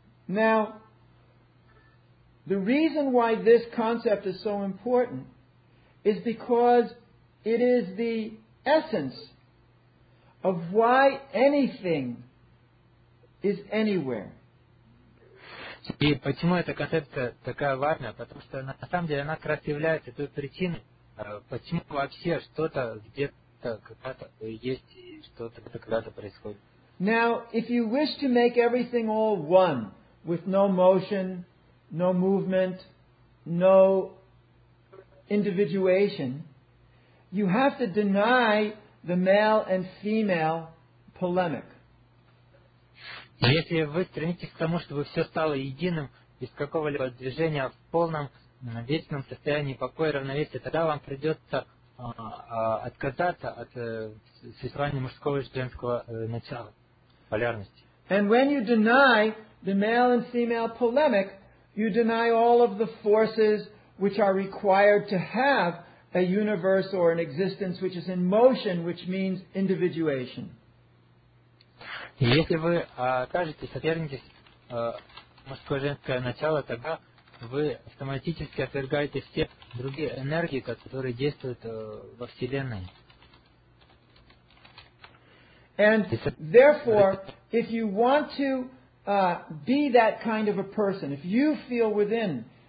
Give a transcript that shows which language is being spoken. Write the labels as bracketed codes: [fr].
[en] Now, the reason why this concept is so important is because it is the essence of why anything is anywhere. [ru] И почему эта концепция такая важная? Потому что на самом деле она как раз является той причиной, почему вообще что-то где-то когда-то есть и что-то когда-то происходит. [en] Now, if you wish to make everything all one, with no motion, no movement, no individuation, you have to deny the male and female polemic. [ru] Если вы стремитесь к тому, чтобы все стало единым, без какого-либо движения, в полном, вечном состоянии покоя и равновесия, тогда вам придется отказаться от существования мужского и женского начала, полярности. [en] And when you deny the male and female polemic, you deny all of the forces which are required to have a universe or an existence which is in motion, which means individuation. [ru] Если вы окажетесь, отвергнетесь мужское и женское начало, тогда вы автоматически отвергаете все другие энергии, которые действуют во Вселенной. [en] And therefore, if you want to be that kind of a person, if you feel within